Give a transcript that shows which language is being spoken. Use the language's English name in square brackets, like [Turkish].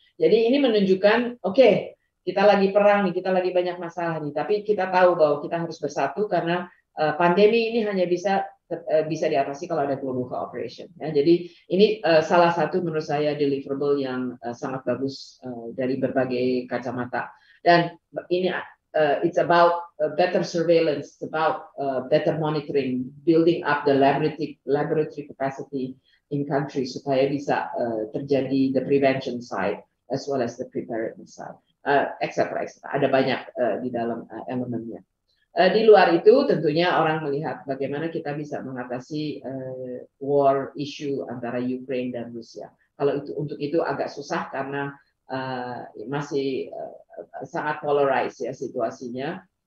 [Indonesian] Jadi ini menunjukkan, kita lagi perang nih, kita lagi banyak masalah nih. Tapi kita tahu bahwa kita harus bersatu karena pandemi ini hanya bisa diatasi kalau ada global cooperation, ya. Jadi ini salah satu menurut saya deliverable yang sangat bagus dari berbagai kacamata. Dan ini [English] it's about better surveillance, about better monitoring, building up the laboratory capacity in country [Indonesian] supaya bisa terjadi [English] the prevention side as well as the preparedness side, etc. [Indonesian] Ada banyak di dalam elemennya. Di luar itu tentunya orang melihat bagaimana kita bisa mengatasi war issue antara Ukraine dan Rusia. Kalau itu, untuk itu agak susah karena masih sangat polarized, ya, situasinya.